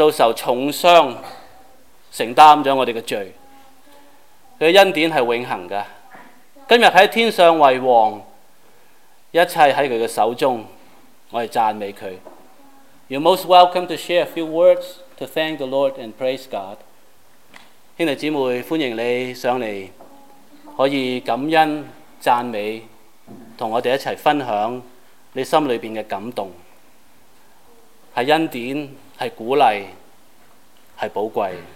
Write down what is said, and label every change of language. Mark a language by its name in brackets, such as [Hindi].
[Chinese] 主耶稣受重伤承担了我们的罪, 祂的恩典是永恒的, 今天在天上为王, 一切在祂的手中, 我们赞美祂。 [English] You're most welcome to share a few words to thank the Lord and praise God. [Chinese] 兄弟姊妹, 欢迎你上来, 可以感恩, 赞美, 和我们一起分享你心里面的感动, 是恩典, 是鼓励, 是宝贵。